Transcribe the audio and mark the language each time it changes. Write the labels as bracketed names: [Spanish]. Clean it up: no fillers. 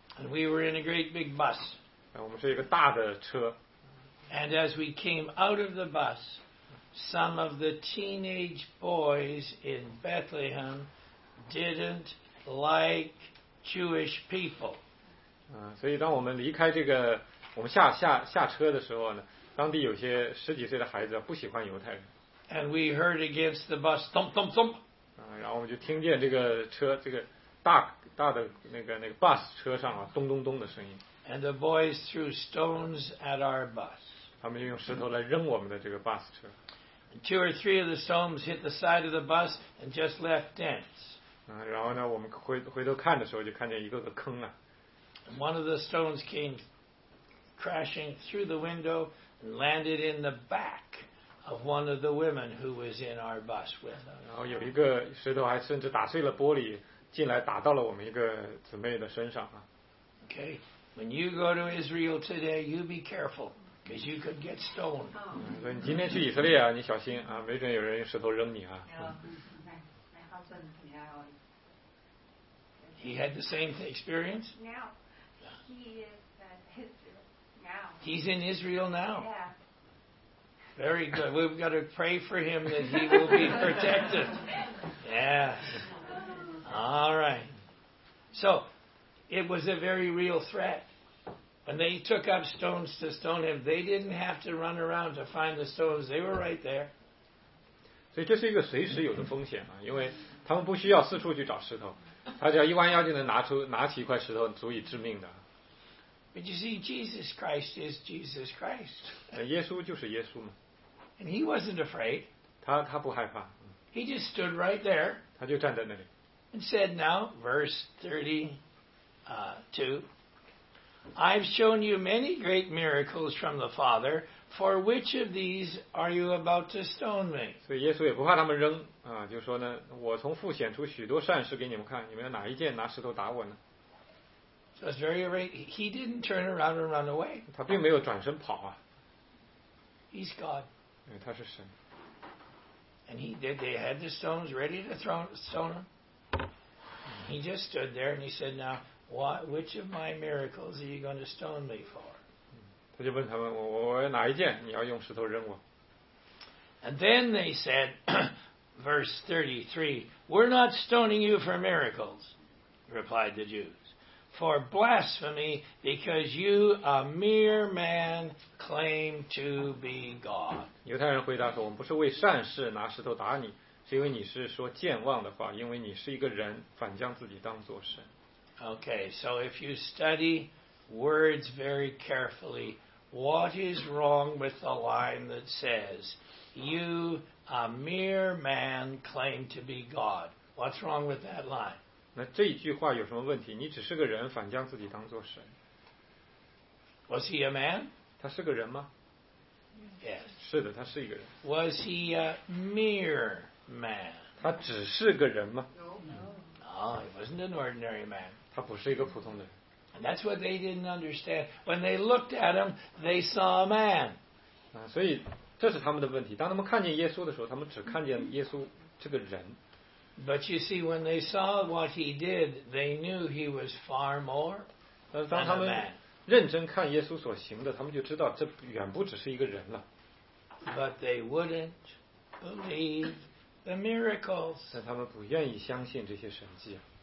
[English] And we were in a great big bus. [Chinese] 我们是一个大的车。 [English] And as we came out of the bus, some of the teenage boys in Bethlehem didn't like Jewish people. [Chinese] 所以当我们离开这个，我们下车的时候呢，当地有些十几岁的孩子不喜欢犹太人。 [English] And we heard against the bus thump thump thump. [Chinese] 然后我们就听见这个车，这个大的那个 bus 车上啊，咚咚咚的声音。 [English] And the boys threw stones at our bus. [Chinese] 他们就用石头来扔我们的这个 bus 车。 [English] Two or three of the stones hit the side of the bus and just left dents. [Chinese] 然后呢，我们回头看的时候，就看见一个个坑啊。 [English] One of the stones came crashing through the window and landed in the back of one of the women who was in our bus with us. [Chinese] 然后有一个石头还甚至打碎了玻璃，进来打到了我们一个姊妹的身上啊。 [English] Okay, when you go to Israel today, you be careful. Because you could get stoned. [Chinese] 所以你今天去以色列啊，你小心啊，没准有人用石头扔你啊。 [English] He had the same experience. Now he is in Israel. Now he's in Israel now. Yeah. Very good. We've got to pray for him that he will be protected. Yeah. All right. So it was a very real threat. When they took up stones to stone him, they didn't have to run around to find the stones. They were right there. [Chinese] 所以这是一个随时有的风险啊，因为他们不需要四处去找石头，他只要一弯腰就能拿起一块石头，足以致命的。 [English] But you see, Jesus Christ is Jesus Christ. [Chinese] 耶稣就是耶稣嘛。 [English] And he wasn't afraid. [Chinese] 他不害怕。 [English] He just stood right there. [Chinese] 他就站在那里。 [English] And said now, verse 32. I've shown you many great miracles from the Father. For which of these are you about to stone me? [Chinese] 所以耶稣也不怕他们扔啊，就说呢，我从父显出许多善事给你们看，你们要哪一件拿石头打我呢？ [English] So So it's very right. He didn't turn around and run away. [Chinese] 他并没有转身跑啊。 [English] He's God. [Chinese] 因为他是神。 [English] And he did. They had the stones ready to stone him. He just stood there and he said, "Now, which of my miracles are you going to stone me for?" [Chinese] 他就问他们，我哪一件你要用石头扔我？ [English] And then they said, verse 33, "We're not stoning you for miracles," replied the Jews. For blasphemy, because you, a mere man, claim to be God. [Chinese] 犹太人回答说，我们不是为善事拿石头打你，是因为你是说健忘的话，因为你是一个人，反将自己当作神。 [English] Okay, so if you study words very carefully, what is wrong with the line that says, you, a mere man, claim to be God? What's wrong with that line? [Chinese] 那这一句话有什么问题？你只是个人，反将自己当作神。 [English] Was he a man? [Chinese] 他是个人吗 [English] ？Yes. [Chinese] 是的，他是一个人。 [English] Was he a mere man? [Chinese] 他只是个人吗 [English] ？No. No, he wasn't an ordinary man. [Chinese] 他不是一个普通的人。 [English] And that's what they didn't understand. When they looked at him, they saw a man. [Chinese] 啊，所以这是他们的问题。当他们看见耶稣的时候，他们只看见耶稣这个人。 [English] But you see, when they saw what he did, they knew he was far more than a man. [Chinese] 当他们认真看耶稣所行的，他们就知道这远不只是一个人了。 [English] But they wouldn't believe the miracles. [Chinese] 但他们不愿意相信这些神迹。